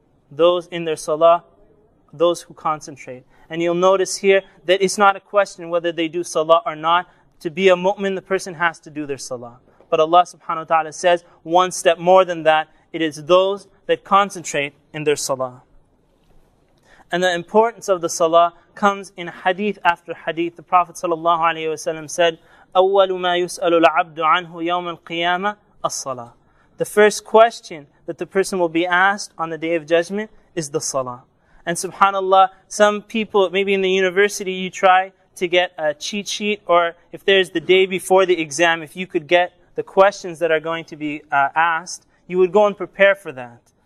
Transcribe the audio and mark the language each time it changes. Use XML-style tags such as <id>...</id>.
<en>Those in their salah, those who concentrate. And you'll notice here that it's not a question whether they do salah or not. To be a mu'min, the person has to do their salah. But Allah subhanahu wa ta'ala says one step more than that. It is those that concentrate in their salah. And the importance of the salah comes in hadith after hadith. The Prophet sallallahu alayhi wa sallam said,</en> <ar>أَوَّلُ مَا يُسْأَلُ الْعَبْدُ عَنْهُ يَوْمَ الْقِيَامَةِ الصَّلَاةِ.</ar> <en>The first question that the person will be asked on the Day of Judgment is the salah. And subhanAllah, some people, maybe in the university, you try to get a cheat sheet, or if there's the day before the exam, if you could get the questions that are going to be asked, you would go and prepare for that.</en>